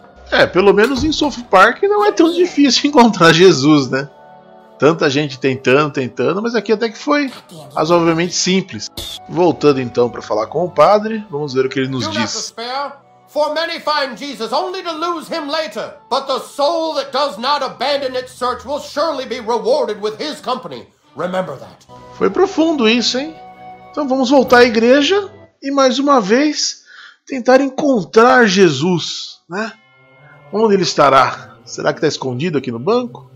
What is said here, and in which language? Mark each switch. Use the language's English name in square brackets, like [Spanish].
[Portuguese] É, pelo menos em South Park não é tão difícil encontrar Jesus, né? Tanta gente tentando, mas aqui até que foi razoavelmente simples. Voltando então para falar com o padre, vamos ver o que ele nos diz. [English] For many find Jesus only to lose him later, but the soul that does not abandon its search will surely be rewarded with his company. Remember that. [Portuguese] Foi profundo isso, hein? Então vamos voltar à igreja e mais uma vez tentar encontrar Jesus, né? Onde ele estará? Será que está escondido aqui no banco?